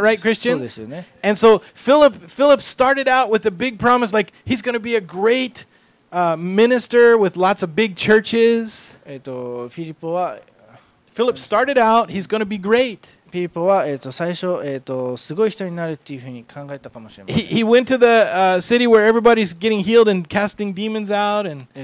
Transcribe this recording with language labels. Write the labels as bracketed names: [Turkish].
[English] Isn't that right, Christians? [Japanese] そうですよね。 [English] And so Philip started out with a big promise, like he's going to be a great minister with lots of big churches. Philip started out, he's going to be great. [Japanese] ピリポは、最初、すごい人になるっていうふうに考えたかもしれません。 [English] He went to the city where everybody's getting healed and casting demons out and